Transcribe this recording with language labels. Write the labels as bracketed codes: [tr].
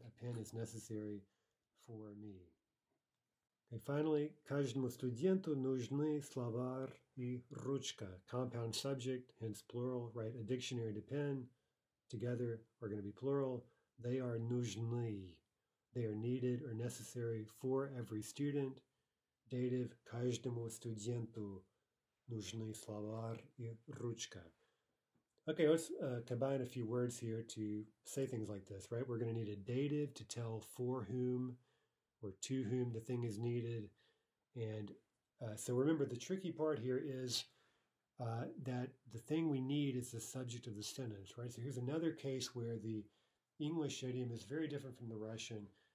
[en] A pen is necessary for me. Okay, finally, [ru] каждому студенту нужны словарь и ручка. [en] Compound subject, hence plural, right? A dictionary and a pen together are going to be plural. They are нужны. They are needed or necessary for every student. [ru] Dative, каждому студенту нужны словарь и ручка. [en] Okay, let's combine a few words here to say things like this, right? We're going to need a dative to tell for whom or to whom the thing is needed. And so remember, the tricky part here is that the thing we need is the subject of the sentence, right? So here's another case where the English idiom is very different from the Russian.